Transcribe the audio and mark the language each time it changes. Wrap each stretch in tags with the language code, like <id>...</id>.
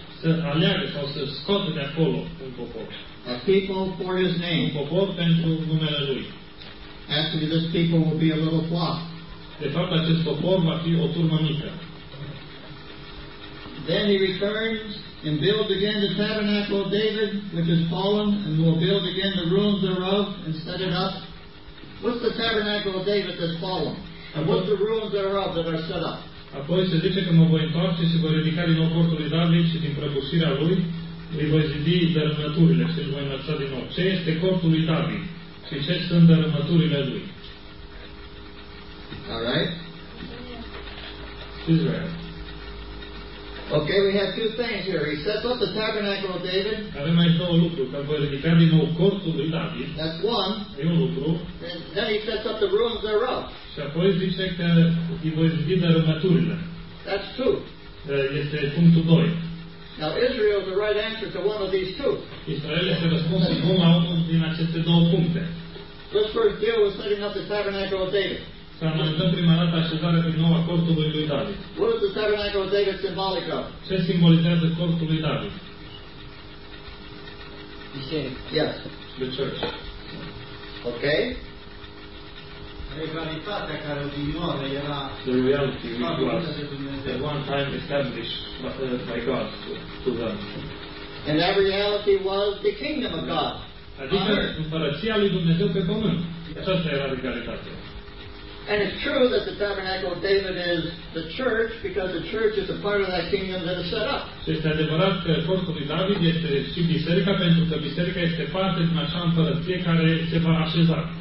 <ro>Să aleagă sau să scoată de acolo un popor.</ro> <en>A people for his name.</en> <ro>Un popor pentru numele lui.</ro> <en>Actually, this people will be a little flock.</en> <ro>De fapt, acest popor va fi o turmă mică.</ro> <en>Then he returns and builds again the tabernacle of David, which is fallen, and will build again the ruins thereof and set it up. What's the tabernacle of David that's fallen? And what's the ruins thereof that are set up?</en> <ro>Apoi se zice că mă voi întoarce și voi ridica din nou portul lui David și din prăbușirea lui îi voi zidi dărâmăturile și îl voi înălța din nou. Ce este cortul lui David și ce sunt dărâmăturile lui?</ro> <en>Alright. Israel. Okay, we have two things here. He sets up the tabernacle of David.</en> <ro>Avem aici două lucruri. Că voi ridica din nou cortul lui David.</ro> <en>That's one.</en> <ro>E un lucru.</ro> <en>And then he sets up the ruins thereof.</en> <ro>Și apoi zice că îi voi zidi dărâmăturile.</ro> <en>That's two.</en> <ro>Este punctul 2.</ro> <en>Now Israel is the right answer to one of these two.</en> <ro>Israel este răspunsul bun la unul din aceste două puncte.</ro> <en>Let's first deal with setting up the tabernacle of David.</en> <ro>Să analizăm prima dată așezarea prin nou a cortului lui David.</ro> <en>What is the tabernacle of David symbolic of?</en> <ro>Ce simbolizează cortul lui David? Biserica.</ro> <en>Yes. The church. Okay.</en> <ro>Regalitatea care odinioară era</ro> <en>the reality which was the one time established by God to them. And that reality was the kingdom of God.</en> <ro>Adică împărăția lui Dumnezeu pe pământ. Aceasta era regalitatea.</ro> <en>And it's true that the tabernacle of David is the church, because the church is a part of that kingdom that is set up.</en> <ro>Și este adevărat că corpul lui David este și biserica, pentru că biserica este parte din acea împărăție care se va așeza.</ro>